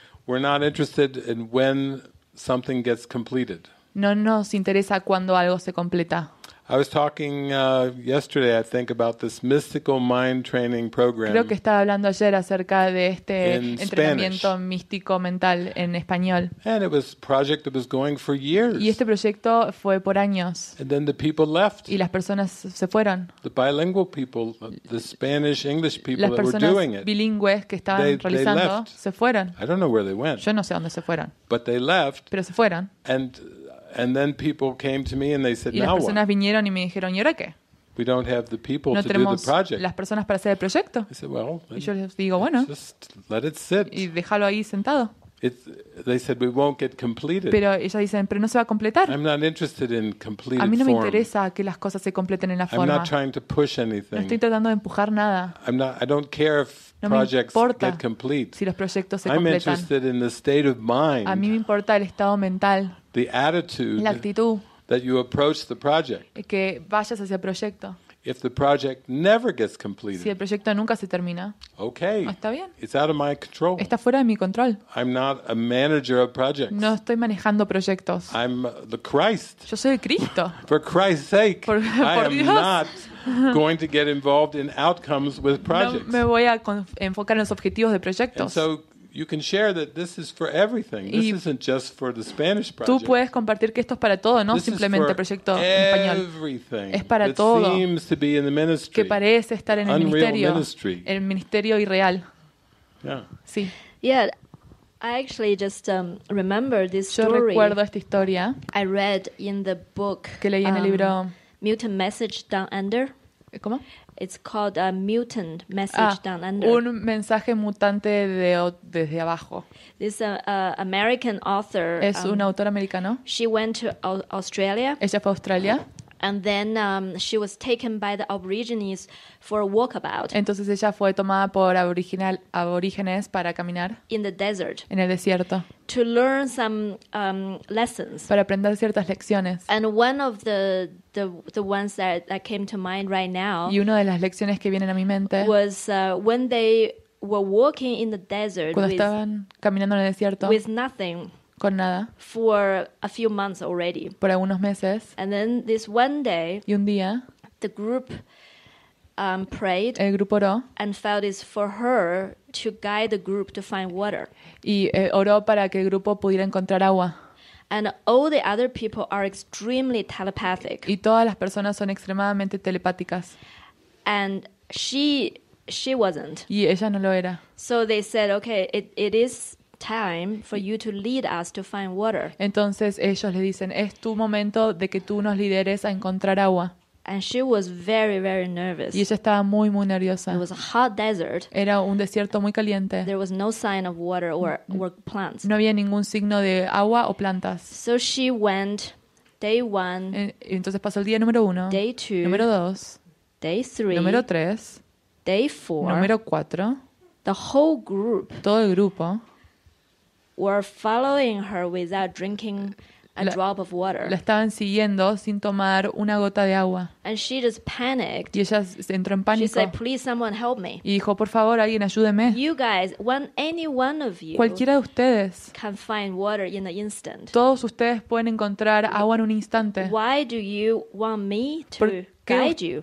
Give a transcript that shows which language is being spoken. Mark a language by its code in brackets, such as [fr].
[en] We're not interested in when something gets completed. [es] No nos interesa cuando algo se completa. [en] I was talking yesterday, I think, about this mystical mind training program. [es] Creo que estaba hablando ayer acerca de este entrenamiento místico mental en español. [en] And it was a project that was going for years. [es] Y este proyecto fue por años. [en] And then the people left. [es] Y las personas se fueron. [en] The bilingual people, the Spanish English people that were doing it. [es] Las personas bilingües que estaban realizando se fueron. [en] I don't know where they went. [es] Yo no sé dónde se fueron. [en] But they left. [es] Pero se fueron. [en] And then people came to me and they said, [es] y las personas vinieron y me dijeron, ¿y ahora qué? [en] We don't have the people [es] no [en] to do the project. [es] Las personas para hacer el proyecto. [en] I said, well, [es] y yo les digo, bueno, [en] just let it sit. [es] Y déjalo ahí sentado. [en] They said, we won't get completed. [es] Pero ellas dicen, pero no se va a completar. [en] I'm not interested in completed [es] form. A mí no me interesa que las cosas se completen en la forma. [en] I'm not trying to push anything. [es] No estoy tratando de empujar nada. [en] I don't care if [es] no me importa [en] get complete. [es] Si los proyectos se [en] I'm [es] completan. [en] I'm interested in the state of mind. [es] A mí me importa el estado mental. [en] The attitude, [es] la actitud, [en] that you approach the project, [es] que vayas hacia el proyecto. [en] If the project never gets completed, [es] si el proyecto nunca se termina, [en] okay, [es] está bien. [en] It's out of my control. [es] Está fuera de mi control. [en] I'm not a manager of projects. [es] No estoy manejando proyectos. [en] I'm the Christ. [es] Yo soy el Cristo. [en] For Christ's sake, [es] por [en] I am [es] Dios. [en] Not going to get involved in outcomes with projects. [es] No me voy a enfocar en los objetivos de proyectos. [en] And so you can share that this is for everything. [es] Y [en] this isn't just for the Spanish project. [es] Tú puedes compartir que esto es para todo, no [en] this [es] simplemente proyecto español. [en] Everything. [es] Es para [en] that [es] todo. [en] Seems to be in the ministry. [es] Que parece estar en el [en] unreal [es] ministerio. [en] Ministry. [es] El ministerio irreal. [en] Yeah. [es] Sí. [en] Yeah. I actually just remember this story. [es] Yo recuerdo esta historia. [en] I read in the book. [es] Que leí en el libro. [en] Mutant Message Down Under. [es] ¿Cómo? [en] It's called a mutant message down under. [es] Un mensaje mutante desde abajo. [en] This American author. [es] Es un autor americano. [en] She went to Australia. [es] Ella fue a Australia. [en] And then she was taken by the aborigines for a walkabout. [es] Entonces ella fue tomada por aborígenes para caminar. [en] In the desert. [es] En el desierto. [en] To learn some lessons. [es] Para aprender ciertas lecciones. [en] And one of the ones that came to mind right now. [es] Y una de las lecciones que vienen a mi mente. [en] Was when they were walking in the desert. [es] Cuando estaban caminando en el desierto. [en] With nothing. [es] Con nada. [en] For a few months already. [es] Por algunos meses. [en] And then this one day. [es] Y un día. [en] The group prayed. [es] El grupo oró. [en] And felt it's for her to guide the group to find water. [es] Y oró para que el grupo pudiera encontrar agua. [en] And all the other people are extremely telepathic. [es] Y todas las personas son extremadamente telepáticas. [en] And she wasn't. [es] Y ella no lo era. [en] So they said, okay, it is time for you to lead us to find water. [es] Entonces ellos le dicen, es tu momento de que tú nos lideres a encontrar agua. [en] And she was very, very nervous. [es] Y ella estaba muy, muy nerviosa. [en] It was a hot desert. [es] Era un desierto muy caliente. [en] There was no sign of water or plants. [es] No había ningún signo de agua o plantas. [en] So she went day one. [es] Entonces pasó el día número uno. [en] Day two. [es] Número dos. [en] Day three. [es] Número tres. [en] Day four. [es] Número cuatro. [en] The whole group. [es] Todo el grupo. [en] Were following her without drinking a drop of water. [es] La estaban siguiendo sin tomar una gota de agua. [en] And she just panicked. [es] Y ella entró en pánico. [en] She said, "Please, someone help me." [es] Y dijo, por favor, alguien ayúdeme. [en] You guys, any one of you, [es] cualquiera de ustedes, [en] can find water in an instant. [es] Todos ustedes pueden encontrar agua en un instante. [en] Why do you want me to guide you?